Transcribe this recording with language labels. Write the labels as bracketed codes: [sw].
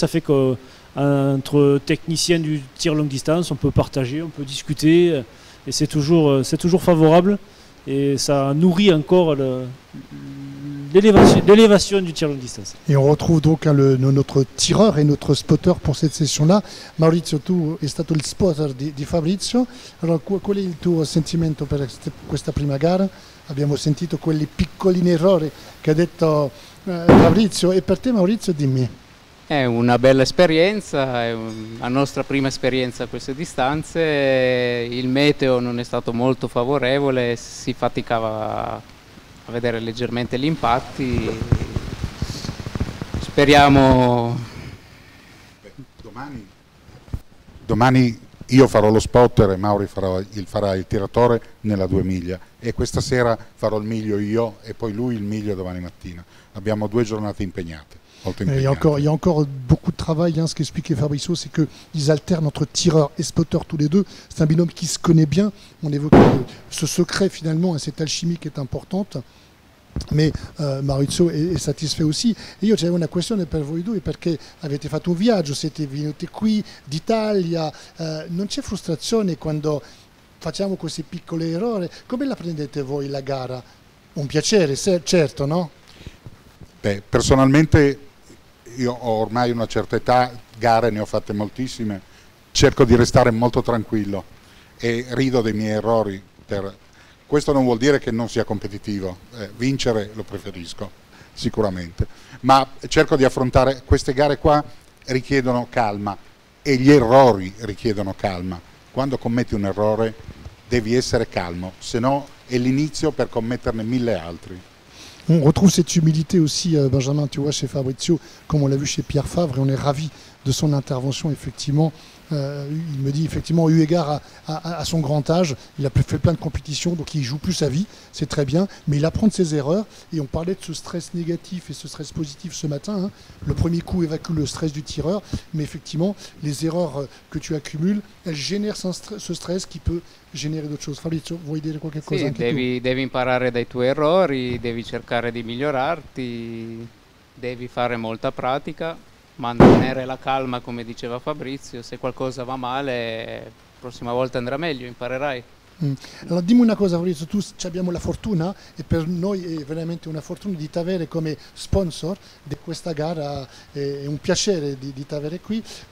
[fr] Ça fait qu'entre techniciens du tir longue distance, on peut partager, on peut discuter. Et c'est toujours favorable et ça nourrit encore l'élévation du tir longue distance. Et on retrouve donc notre tireur et notre spotter pour cette session-là. [it] Maurizio, tu es stato il spotter di Fabrizio. [fr] Alors, quel est [it] il tuo sentimento per questa prima gara? Abbiamo sentito quelli piccolini errori che ha detto Maurizio. E per te Maurizio dimmi. È una bella esperienza, è la nostra prima esperienza a queste distanze. Il meteo non è stato molto favorevole, si faticava a vedere leggermente gli impatti. Speriamo. Domani io farò lo spotter e Mauri farà il tiratore nella 2 miglia. E questa sera farò il miglio io e poi lui il miglio domani mattina. Abbiamo 2 giornate impegnate. [fr] Il y a encore beaucoup de travail, hein. Ce qu'expliquait Fabrizio, c'est qu'ils alternent entre tireur et spotter tous les deux. C'est un binôme qui se connaît bien. On évoque ce secret finalement, hein, cette alchimie qui est importante. Mais Maurizio est satisfait aussi. [it] Et io c'avevo una questione per voi due, perché avete fatto un viaggio, siete venuti qui d'Italia. Non c'è frustrazione quando facciamo questi piccoli errori? Come la prendete voi la gara? Un piacere, certo, no? Beh, personalmente io ho ormai una certa età, gare ne ho fatte moltissime, cerco di restare molto tranquillo e rido dei miei errori. Questo non vuol dire che non sia competitivo, vincere lo preferisco. sicuramente. Ma cerco di affrontare queste gare qua, richiedono calma e gli errori richiedono calma. Quando commetti un errore devi essere calmo, se no è l'inizio per commetterne mille altri. [fr] On retrouve cette humilité aussi, Benjamin, tu vois, chez Fabrizio, comme on l'a vu chez Pierre Favre, et on est ravis de son intervention, effectivement. Il me dit, effectivement, eu égard à son grand âge, il a fait plein de compétitions, donc il joue plus sa vie, c'est très bien, mais il apprend de ses erreurs, et on parlait de ce stress négatif et ce stress positif ce matin, hein. Le premier coup évacue le stress du tireur, mais effectivement, les erreurs que tu accumules, elles génèrent ce stress qui peut générer d'autres choses. [it] Fabrizio, vuoi dire qualche cosa? Sì, devi imparare dai tuoi errori, devi cercare di migliorarti, devi fare molta pratica, mantenere la calma, come diceva Fabrizio. Se qualcosa va male, prossima volta andrà meglio, imparerai. Allora dimmi una cosa, Fabrizio, tu ci abbiamo la fortuna, e per noi è veramente una fortuna di t'avere come sponsor di questa gara, è un piacere di t'avere qui.